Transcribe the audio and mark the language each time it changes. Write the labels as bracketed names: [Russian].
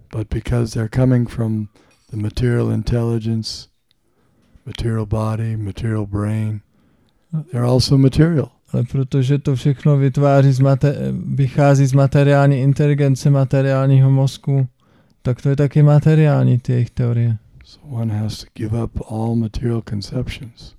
[English] But because they're coming from the material intelligence, material body, material brain, they're also material. [Czech] Ale protože to všechno vytváří vychází z materiální inteligence, materiálního mozku, tak to je taky materiální, ty jejich teorie. [English] So one has to give up all material conceptions.